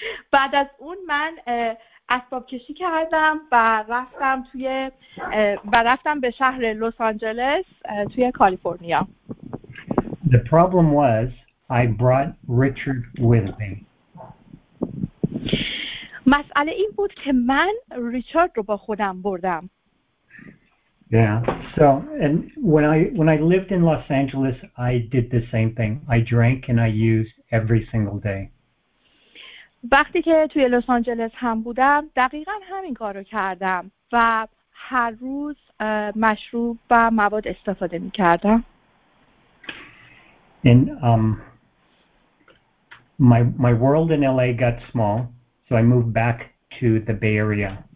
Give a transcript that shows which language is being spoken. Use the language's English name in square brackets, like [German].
[Persian] بعد از اون من اسباب کشی کردم و رفتم توی و رفتم به شهر لس آنجلس توی کالیفرنیا. [English] The problem was I brought Richard with me. [Persian] مسئله این بود که من ریچارد رو با خودم بردم. [English] Yeah. So and when I lived in Los Angeles, I did the same thing. I drank and I used every single day. [Persian] وقتی که توی لس آنجلس هم بودم دقیقا همین کار رو کردم و هر روز مشروب و مواد استفاده می کردم. [English] And my world in LA got small, so I moved back to the Bay Area.